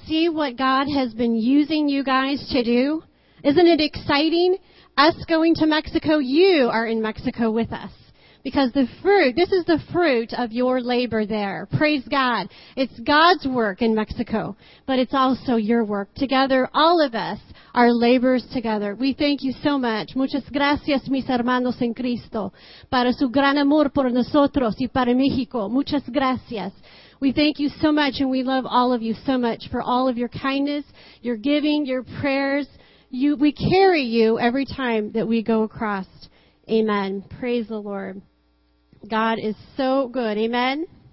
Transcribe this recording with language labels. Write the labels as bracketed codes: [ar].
[en] What God has been using you guys to do. Isn't it exciting? Us going to Mexico, you are in Mexico with us. Because this is the fruit of your labor there. Praise God. It's God's work in Mexico, but it's also your work. Together, all of us are laborers together. We thank you so much. [es] Muchas gracias, mis hermanos en Cristo, para su gran amor por nosotros y para México. Muchas gracias. [en] We thank you so much, and we love all of you so much for all of your kindness, your giving, your prayers. We carry you every time that we go across. Amen. Praise the Lord. God is so good. Amen.